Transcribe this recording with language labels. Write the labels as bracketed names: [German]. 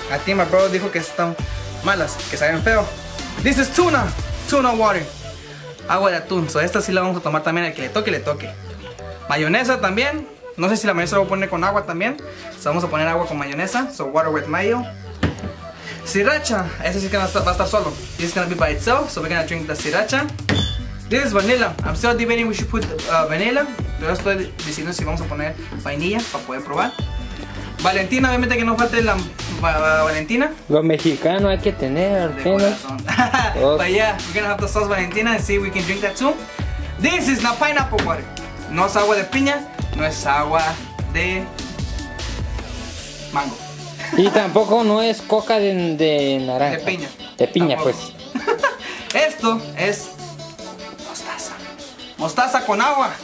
[Spanish] A ti, [English] my bro, [Spanish] dijo que están malas, que saben feo. [English] This is tuna, tuna water. [Spanish] Agua de atún, so esta sí la vamos a tomar también, al que le toque, le toque. Mayonesa también, no sé si la mayonesa la voy a poner con agua también. So vamos a poner agua con mayonesa, so [English] water with mayo. [Spanish] Sriracha, ese sí que va a estar solo. [English] This is gonna be by itself, so we're gonna drink the sriracha. This is vanilla. I'm still debating we should put vanilla. [Spanish] Pero estoy diciendo si vamos a poner vainilla para poder probar. Valentina, obviamente que no falte la Valentina. Lo mexicano hay que tener, al menos. [English] But yeah, we're gonna have the sauce Valentina and see if we can drink that too. This is not pineapple water. [Spanish] No es agua de piña, no es agua de mango. Y tampoco no es coca de naranja. De piña. De piña, tampoco. Pues. Esto es mostaza. Mostaza con agua.